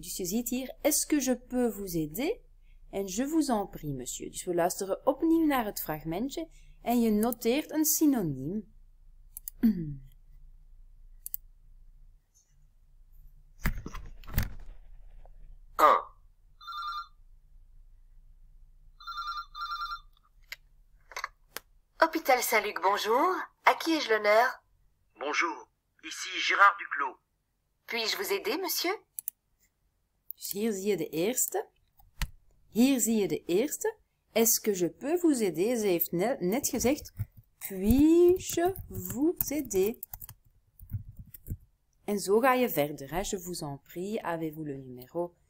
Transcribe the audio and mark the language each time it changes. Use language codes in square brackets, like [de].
[nl] Dus je ziet hier, [fr] est-ce que je peux vous aider? [nl] En [fr] je vous en prie, monsieur. [nl] Dus we luisteren opnieuw naar het fragmentje en je noteert een synoniem. [fr] Un. Saint-Luc, bonjour. À qui ai-je l'honneur? Bonjour, ici Gérard Duclos. Puis-je vous aider, monsieur? [nl] Hier zie je de eerste. Hier zie je de eerste. [fr] Est-ce que je peux vous aider? [nl] Ze heeft net gezegd, [fr] puis-je vous aider? [nl] En zo ga je verder, hè? [fr] Je vous en prie, avez-vous le numéro?